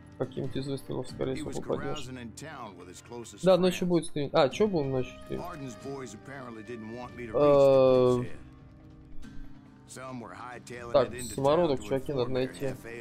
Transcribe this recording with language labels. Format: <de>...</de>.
<ru>Каким-то из выстрелов, скорее всего, попадешь. Да, ночью будет стрим. А, чё будем ночью стрим?</ru> <en>Harden's boys apparently didn't want me to reach the bridge.</en> <ru>Так, самородок, чуваки, надо найти.</ru>